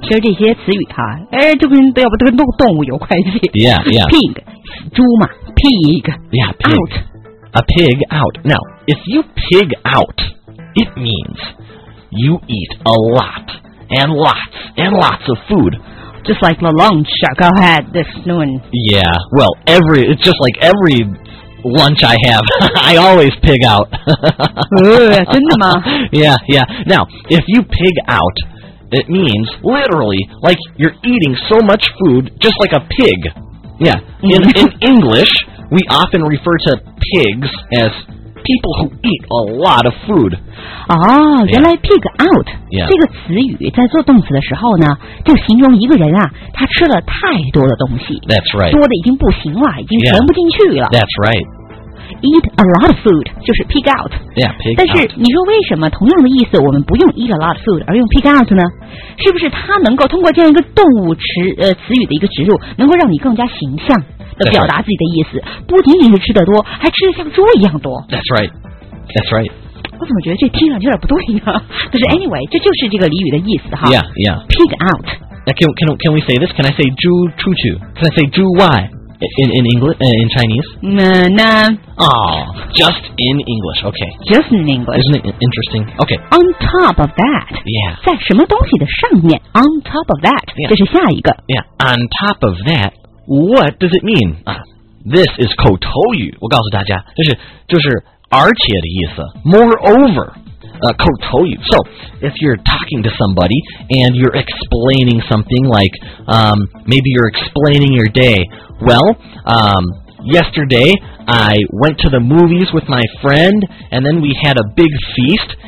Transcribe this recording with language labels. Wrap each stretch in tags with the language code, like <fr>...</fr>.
<zh>其实这些词语哈，就跟要不跟动物有关系。</zh> <en>Yeah, yeah. Pig, 猪嘛 pig. Yeah, pig. Out. A pig out. Now, if you pig out, it means you eat a lot and lots and lots of food. Just like the lunch I had this noon. Yeah, well, it's just like every lunch I have. I always pig out.</en> <zh>真的吗?</zh> <en>Yeah, yeah. Now, if you pig out, it means literally like you're eating so much food just like a pig. Yeah. In English, we often refer to pigs as people who eat a lot of food.</en> <zh>Oh, 原来 pig out.</zh> <en>Yeah.</en> <zh>这个词语在做动词的时候呢就形容一个人啊他吃了太多的东西</zh> <en>That's right.</en> <zh>多的已经不行了已经存不进去了</zh> <en>yeah, That's right. Eat a lot of food</en> <zh>就是</zh> <en>pig out. Yeah, pig out.</en> <zh>但是你说为什么同样的意思我们不用</zh> <en>eat a lot of food</en> <zh>而用 pig out 呢是不是它能够通过这样一个动物词语的一个植入能够让你更加形象的表达自己的意思、</zh> <en>right.</en> <zh>不仅仅是吃得多还吃得像猪一样多</zh> <en>That's right That's right</en> <zh>我怎么觉得这听上去有点不对呢但是 anyway 这就是这个俚语的意思哈</zh> <en>Yeah yeah Pig out can we say this? Can I say</en> <zh>猪出去</zh> <en>Can I say 猪 why? In English in Chinese? Just in English Okay Just in English Isn't it interesting? Okay On top of that Yeah</en> <zh>在什么东西的上面</zh> <en>On top of that、 yeah.</en> <zh>这是下一个</zh> <en>Yeah On top of thatWhat does it mean? This is 口头语。</en> <zh>我告诉大家，就是而且的意思。</zh> <en>Moreover, 口头语。 So, if you're talking to somebody and you're explaining something like, maybe you're explaining your day. Well, yesterday, I went to the movies with my friend, and then we had a big feast.</en>